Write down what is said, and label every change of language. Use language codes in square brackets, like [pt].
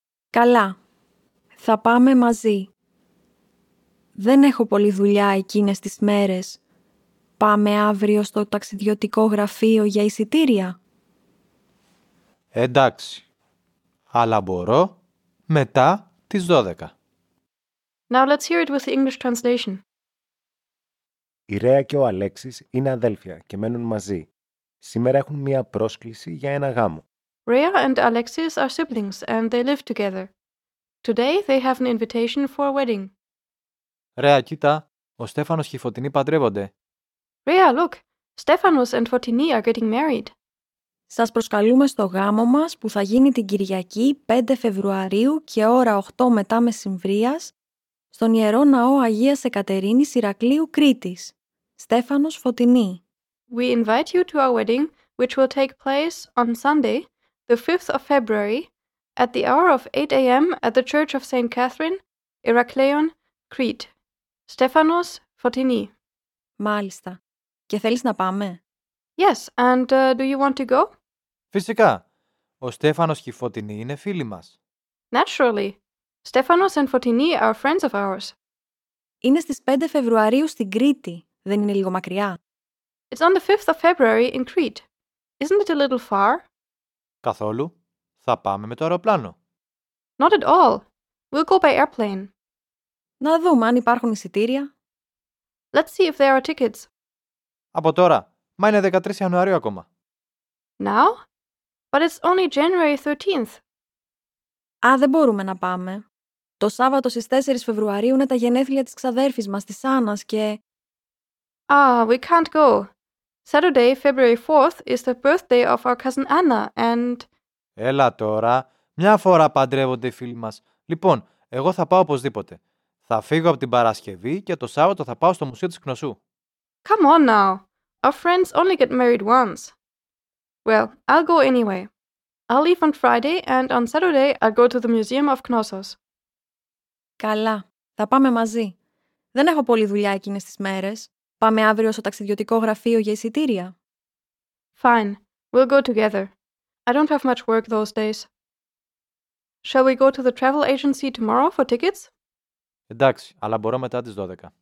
[el] Καλά. Θα πάμε μαζί. Δεν έχω πολλή δουλειά εκείνες τις μέρες. Πάμε αύριο στο ταξιδιωτικό γραφείο για εισιτήρια. Εντάξει, αλλά μπορώ μετά τις 12. [en] Now let's hear it with the English translation. [el] Η Ρέα και ο Αλέξης είναι αδέλφια και μένουν μαζί. Σήμερα έχουν μία πρόσκληση για ένα γάμο. [en] Rhea and Alexis are siblings and they live together. Today they have an invitation for a wedding. [el] Ρέα, κοίτα, ο Στέφανος και η Φωτεινή παντρεύονται. [en] Rhea, look, Stefanos and Fotini are getting married. [el] Σας προσκαλούμε στο γάμο μας που θα γίνει την Κυριακή 5 Φεβρουαρίου και ώρα 8 μετά μεσημβρίας στον Ιερό Ναό Αγίας Εκατερίνης Ηρακλείου Κρήτης. Στέφανος, Φωτεινή. [en] We invite you to our wedding, which will take place on Sunday, the 5th of February, at the hour of 8 a.m. at the Church of St. Catherine, Ηρακλείον, Crete. [el] Στέφανος, Φωτεινή. Μάλιστα. Και θέλεις να πάμε? [en] Yes, and do you want to go? [el] Φυσικά. Ο Στέφανος και η Φωτεινή είναι φίλοι μας. [en] Naturally. Stefanos and Fotini are friends of ours. [el] Είναι στις 5 Φεβρουαρίου στην Κρήτη. Δεν είναι λίγο μακριά? [en] It's on the 5th of February in Crete. Isn't it a little far? [el] Καθόλου. Θα πάμε με το αεροπλάνο. [en] Not at all. We'll go by airplane. [el] Να δούμε αν υπάρχουν εισιτήρια. [en] Let's see if there are tickets. [el] Από τώρα. Μα είναι 13 Ιανουαρίου ακόμα. [en] Now? But it's only January 13th. [el] Α, δεν μπορούμε να πάμε. Το Σάββατο στις 4 Φεβρουαρίου είναι τα γενέθλια της ξαδέρφης μας, της Άννας και... [en] Ah, we can't go. Saturday, February 4th, is the birthday of our cousin Anna, and... [el] Έλα τώρα. Μια φορά παντρεύονται οι φίλοι μας. Λοιπόν, εγώ θα πάω οπωσδήποτε. Θα φύγω από την Παρασκευή και το Σάββατο θα πάω στο Μουσείο της Κνωσού. [en] Come on now. Our friends only get married once. Well, I'll go anyway. I'll leave on Friday and on Saturday I'll go to the Museum of Knossos. [el] Καλά. Θα πάμε μαζί. Δεν έχω πολλή δουλειά εκείνες τις μέρες. Πάμε αύριο στο ταξιδιωτικό γραφείο για εισιτήρια. [en] Fine. We'll go together. I don't have much work those days. Shall we go to the travel agency tomorrow for tickets? [el] Εντάξει, αλλά μπορώ μετά τις 12.